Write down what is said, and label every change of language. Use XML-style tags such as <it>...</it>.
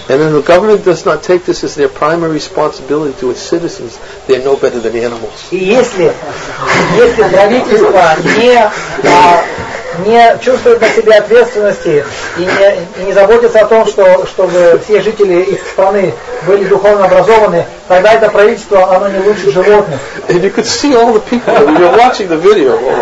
<en>And if the government does not take this as their primary responsibility to its citizens, they're no better than animals.</en> <ru>И если правительство не не чувствуют на себе ответственности и не заботятся о том, чтобы все жители их страны были духовно образованы, тогда это правительство, оно не лучше животных.</ru> <en>And you could see all the people, you're watching the video,</en>